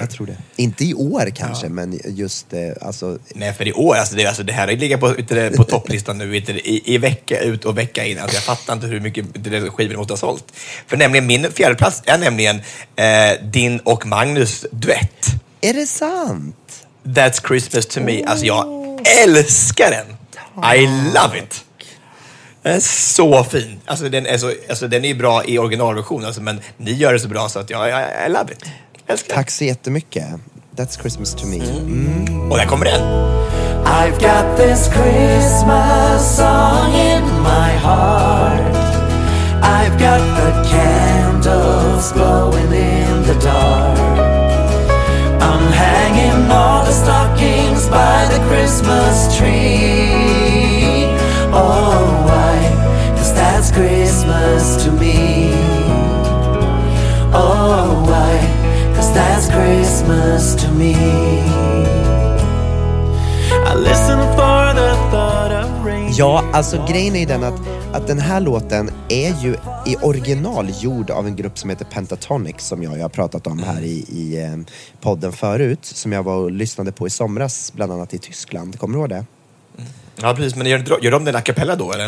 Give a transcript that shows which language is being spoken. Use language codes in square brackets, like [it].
[sv] Jag tror det. Inte i år kanske, men just alltså... Nej, för i år, alltså det här ligger på topplistan nu i vecka ut och vecka in. Alltså jag fattar inte hur mycket skivor du har sålt. För nämligen min fjärde plats är nämligen din och Magnus duett. Är det sant? [en] That's Christmas to me. [sv] Alltså jag älskar den. [en] I love it. [sv] Den är så fin. Alltså den är så, alltså den är ju bra i originalversionen, alltså, men ni gör det så bra så att jag [en] I love it. [sv] Älskar. Tack så jättemycket. [en] That's Christmas to me. [sv] Och där kommer den. [en] I've got this Christmas song in my heart. I've got the candles glowing in the dark. I'm hanging all the stockings by the Christmas tree. Oh, why? 'Cause that's Christmas to me. Oh, why? 'Cause that's Christmas to me. I listen for the thought of rain. [sv] Ja, alltså grejen är den att den här låten är ju i original gjord av en grupp som heter Pentatonix, som jag har pratat om här i podden förut, som jag var och lyssnade på i somras, bland annat i Tyskland. Kommer du ihåg det? Ja, precis. Men gör de den a cappella då, eller?